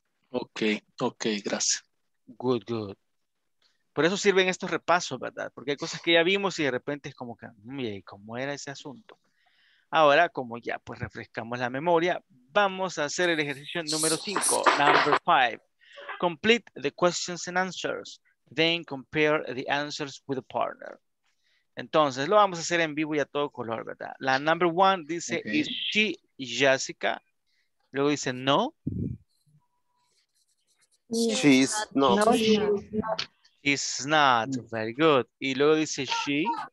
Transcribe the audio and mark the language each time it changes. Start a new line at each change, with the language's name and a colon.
Spanish: Ok, gracias.
English: Good, good.
Spanish: Por eso sirven estos repasos, ¿verdad? Porque hay cosas que ya vimos y de repente es como que, ¿cómo era ese asunto? Ahora, como ya pues refrescamos la memoria, vamos a hacer el ejercicio número 5,
English: number 5. Complete the questions and answers, then compare the answers with a partner.
Spanish: Entonces, lo vamos a hacer en vivo y a todo color, ¿verdad? La number 1 dice, okay.
English: Is she Jessica?
Spanish: Luego dice, no.
English: She's not. She's not. Very good.
Spanish: Y luego dice
English: she.